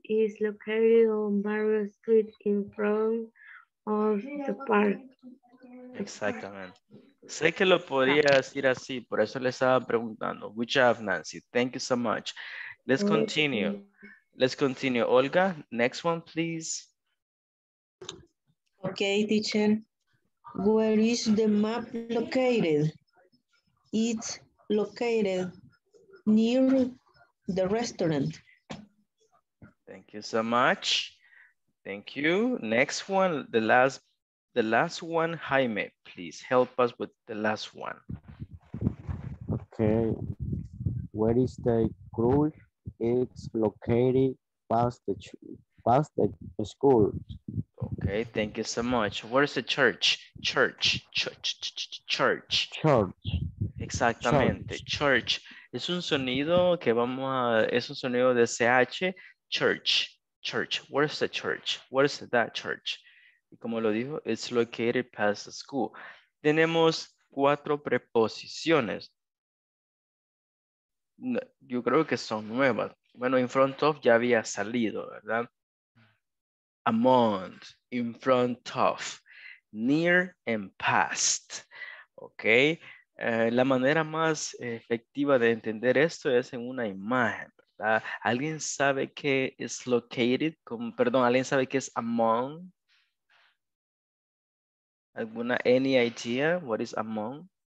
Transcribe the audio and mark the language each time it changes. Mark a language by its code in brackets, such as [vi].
[en] Is located on Barrio Street in front of the park. [es] Exactamente. Sé que lo podría decir así, por eso le estaba preguntando. [en] Good job, Nancy. Thank you so much. Let's continue. Let's continue. Olga, next one, please. Okay, teacher. Where is the map located? It's located near the restaurant. Thank you so much. Thank you. Next one, the last one, Jaime, please help us with the last one. Okay. Where is the crew? It's located past the school. Okay, thank you so much. Where's the church? Church. Church. [es] Exactamente. Church. Es un sonido que vamos a, es un sonido de CH, church. [en] Church. Where's the church? Where's that church? [es] Y como lo dijo, [en] it's located past the school. [es] Tenemos cuatro preposiciones. No, yo creo que son nuevas. Bueno, in front of ya había salido, ¿verdad? [en] Among, in front of, near and past. Okay. [es] La manera más efectiva de entender esto es en una imagen, ¿verdad? ¿Alguien sabe qué es located? ¿Alguien sabe qué es among? ¿Alguna [en] any idea? What is among?